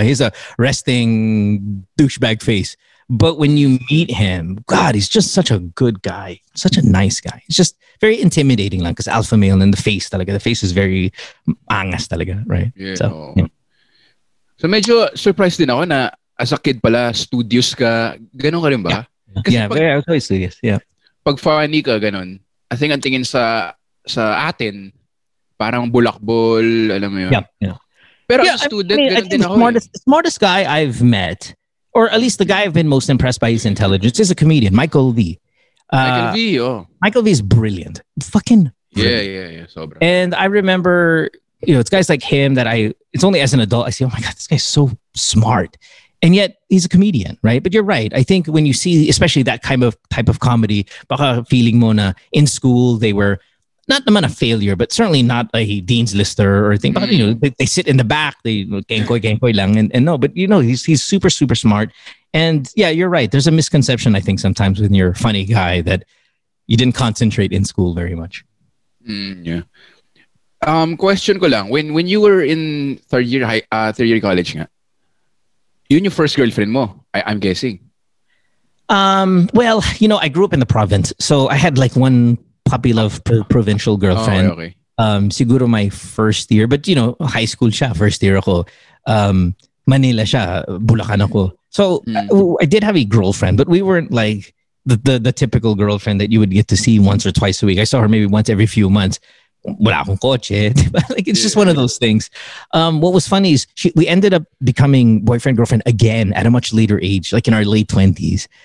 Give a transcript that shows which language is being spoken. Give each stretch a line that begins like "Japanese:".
English: He's a resting douchebag face. But when you meet him, God, he's just such a good guy. Such a nice guy. It's just very intimidating, like, because alpha male and the face, talaga. The face is very
Filipino: angas talaga,
English: right?
Filipino: Yeah. So medyo surprised din ako na
English: as a kid
Filipino: pala, studious ka. Ganun ka rin ba?
English: Yeah, I was always studious, yeah.
Filipino: Pag funny ka, ganun.
English: I think
Filipino: ang tingin sa atin, parang bulakbol, alam mo yun.
English: Yeah.
Filipino: Pero yeah,
English: as a student,
Filipino: ganun din ako.
English: Smartest guy I've met, or at least the guy I've been most impressed by his intelligence, is a comedian, Michael Vie. Michael Vie is brilliant. Fucking brilliant.
Filipino: Yeah. Sobra.
English: And I remember, you know, it's guys like him that it's only as an adult, I say, oh my God, this guy's so smart. And yet, he's a comedian, right? But you're right. I think when you see, especially that type of comedy,
Filipino: baka feeling mo na
English: in school, they were not naman a failure, but certainly not a dean's lister or thing. But, you know, they sit in the back, they
Filipino: gangkoy lang,
English: and no, but you know, he's super, super smart. And yeah, you're right. There's a misconception, I think, sometimes when you're a funny guy that you didn't concentrate in school very much.
Filipino: Yeah. Question ko lang.
English: When you were in third year college nga,
Filipino: yun yung
English: first girlfriend mo, I'm guessing. Well, you know, I grew up in the province, so I had like one puppy love provincial girlfriend.
Filipino: Siguro
English: my first year, but you know, high school siya, first year ako.
Filipino: Manila siya, Bulacan ako.
English: So I did have a girlfriend, but we weren't like the typical girlfriend that you would get to see once or twice a week. I saw her maybe once every few months.
Filipino: Wala akong kotse.
English: Like, it's just one of those things. What was funny is we ended up becoming boyfriend, girlfriend again at a much later age, like in our late 20s.